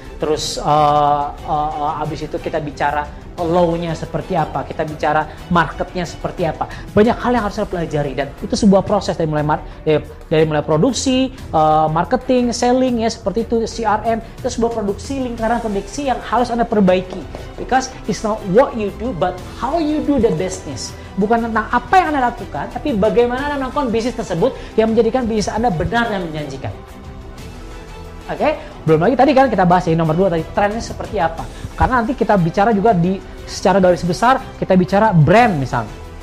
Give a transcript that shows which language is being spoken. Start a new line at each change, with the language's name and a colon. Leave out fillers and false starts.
Indonesian: Terus habis itu kita bicara low-nya seperti apa, kita bicara market-nya seperti apa. Banyak hal yang harus saya pelajari dan itu sebuah proses dari mulai produksi, marketing, selling ya seperti itu, CRM, itu sebuah produksi, lingkaran produksi yang harus Anda perbaiki.
English: Because it's not what you do but how you do the business.
Indonesian: Bukan tentang apa yang Anda lakukan tapi bagaimana Anda melakukan bisnis tersebut yang menjadikan bisnis Anda benar dan menjanjikan. Oke, okay? Belum lagi tadi kan kita bahas ya, nomor 2 tadi, trennya seperti apa. Karena nanti kita bicara juga di secara garis besar, kita bicara brand misalnya.